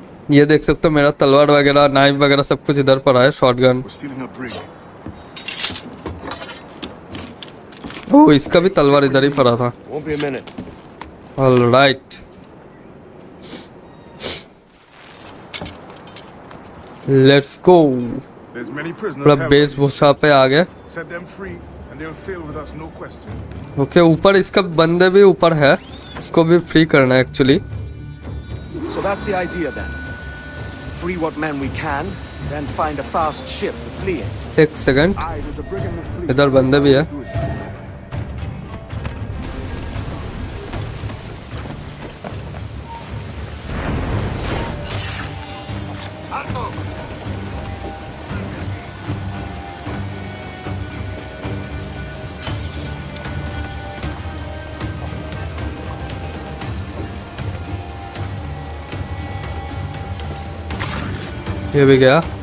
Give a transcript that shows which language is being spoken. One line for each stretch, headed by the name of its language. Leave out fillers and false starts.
Hindi: ये देख सकते हो मेरा तलवार वगैरह नाइफ वगैरह सब कुछ इधर पर आया शॉटगन ओ इसका भी तलवार इधर ही पड़ा था
English: alright let's go
Hindi: मतलब बेसभूषा पे आ गए ओके ऊपर इसका बंदे भी ऊपर है इसको भी फ्री करना है actually
English: So that's the idea then Free what men we can, then find a fast ship to flee in.
Hindi: एक सेकंड इधर बंदे भी है ये भी गया